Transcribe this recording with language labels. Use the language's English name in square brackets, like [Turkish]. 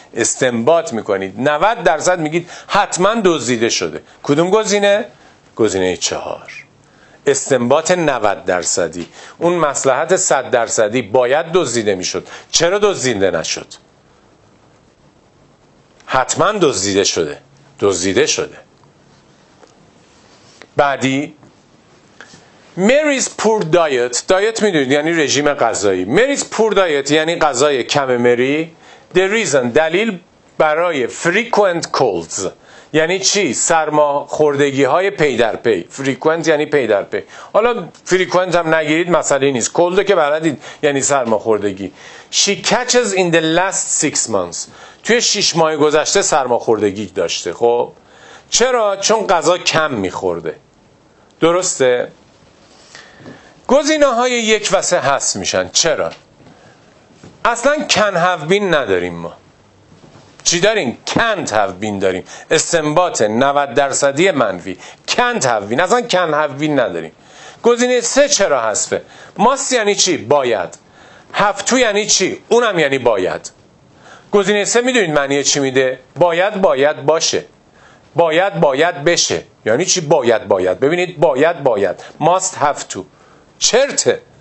[Persian] استنباط میکنید. 90% میگید حتما دزدیده شده. کدوم گزینه؟ گزینه 4. استنباط 90%. اون مصلحت 100%، باید دزدیده میشد. چرا دزدیده نشد؟ حتما دزدیده شده. دزدیده شده. بعدی، [English] Mary's poor diet. [Persian] دایت میدونید یعنی رژیم غذایی. [English] Mary's poor diet [Persian] یعنی غذای کم مری. [English] The reason، [Persian] دلیل برای [English] frequent colds. [Persian] یعنی چی؟ سرما خوردگی های پی در پی. Frequent یعنی پی در پی. حالا frequent هم نگیرید مسئله نیست، cold که بلدید یعنی سرما خوردگی. [English] She catches in the last 6 months. [Persian] توی 6 ماه گذشته سرما خوردگی داشته. خب چرا؟ چون غذا کم میخورده. درسته؟ گزینه های 1 و 3 هست میشن. چرا؟ اصلا [English] can have been [Persian] نداریم ما. چی داریم؟ [English] can't have been [Persian] داریم. استنباط 90% منفی. [English] can't have been، [Persian] اصلا [English] can have been [Persian] نداریم. گزینه 3 چرا حذفه؟ must یعنی چی؟ باید. have to یعنی چی؟ اونم یعنی باید. گزینه 3 میدونید معنی چی میده؟ باید باید باشه. باید باید بشه. یعنی چی باید باید؟ ببینید باید باید. [English] Must have to. [Persian] چرته.